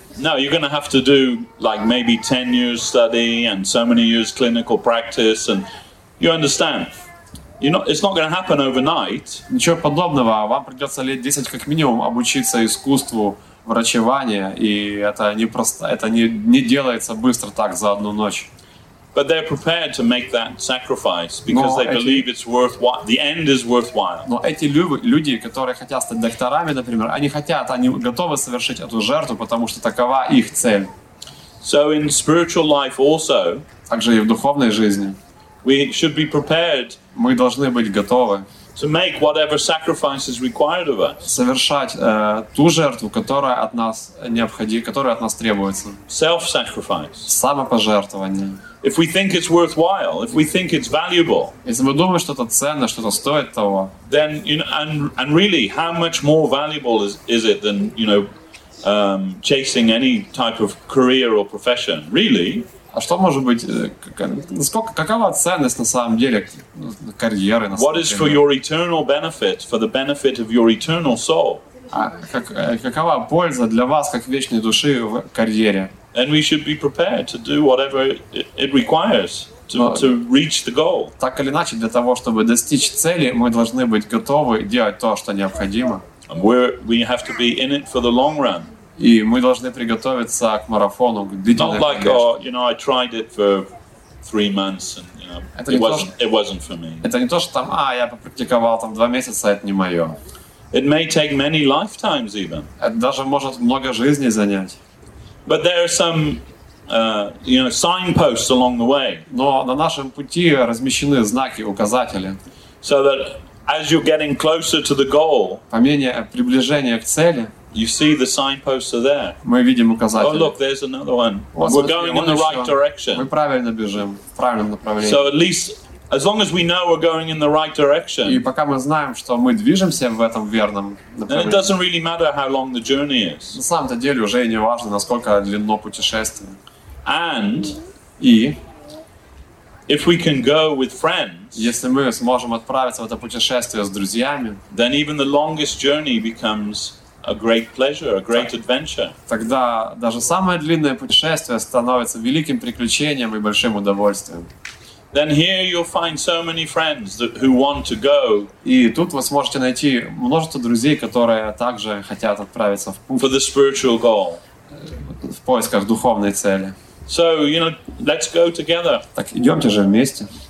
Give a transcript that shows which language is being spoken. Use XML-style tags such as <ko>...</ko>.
<en>No, you're going to have to do like maybe 10 years study and so many years clinical practice, and you understand. It's not going to happen overnight.</en> <ru>Ничего подобного. Вам придется лет 10 как минимум обучиться искусству врачевания, и это не просто, это не делается быстро так за одну ночь.</ru> <en>But they're prepared to make that sacrifice because they believe it's worthwhile. The end is worthwhile.</en> <ru>Но эти люди, которые хотят стать докторами, например, они готовы совершить эту жертву, потому что такова их цель.</ru> <en>So in spiritual life also,</en> <ru>также и в духовной жизни,</ru> <en>we should be prepared.</en> <ru>Мы должны быть готовы</ru> <en>to make whatever sacrifice is required of us.</en> <ru>Совершать ту жертву, которая от нас необходима, которая от нас требуется.</ru> <en>Self-sacrifice.</en> <ru>Самопожертвование.</ru> <en>If we think it's worthwhile, if we think it's valuable,</en> <ru>если мы думаем, что это ценно, что это стоит того,</ru> <en>then you know, and really, how much more valuable is it than you know, chasing any type of career or profession? Really?</en> <ru>А что может быть? Какова ценность на самом деле карьеры?</ru> <en>What is for your eternal benefit, for the benefit of your eternal soul?</en> <ru>Какова польза для вас как вечной души в карьере?</ru> <en>And we should be prepared to do whatever it requires to reach the goal.</en> <ru>Так или иначе, для того, чтобы достичь цели, мы должны быть готовы делать то, что необходимо.</ru> <en>And we have to be in it for the long run.</en> <ru>И мы должны приготовиться к марафону, к длительной</ru> <en>Not like,</en> <ru>конечно.</ru> <en>Oh, you know, I tried it for 3 months and you know, it wasn't for me.</en> <ru>Это не то, что там, я попрактиковал там 2 месяца, это не мое.</ru> <en>It may take many lifetimes even.</en> <ru>Это даже может много жизней занять.</ru> <en>But there are some, you know, signposts along the way.</en> <ru>Но на нашем пути размещены знаки, указатели.</ru> <en>So that as you're getting closer to the goal,</en> <ru>по мере приближения к цели,</ru> <en>you see the signposts are there.</en> <ru>Мы видим указатели.</ru> <en>Oh, look, there's another one.</en> <ru>Вот,</ru> <en>we're going in the right direction.</en> <ru>Мы правильно бежим, в правильном направлении.</ru> <en>So at least, as long as we know we're going in the right direction.</en> <ru>И пока мы знаем, что мы движемся в этом верном направлении.</ru> <en>Then it doesn't really matter how long the journey is.</en> <ru>На самом-то деле уже не важно, насколько длинно путешествие.</ru> <en>And</en> <ru>и</ru> <en>if we can go with friends.</en> <ru>Если мы сможем отправиться в это путешествие с друзьями.</ru> <en>Then even the longest journey becomes a great pleasure, a great adventure.</en> <ru>Тогда даже самое длинное путешествие становится великим приключением и большим удовольствием.</ru> <en>Then here you'll find so many friends who want to go.</en> <ru>И тут вы сможете найти множество друзей, которые также хотят отправиться в путь.</ru> <en>For the spiritual goal.</en> <ru>В поисках духовной цели.</ru> <en>So, you know, let's go together.</en> <ru>Так идемте же вместе.</ru>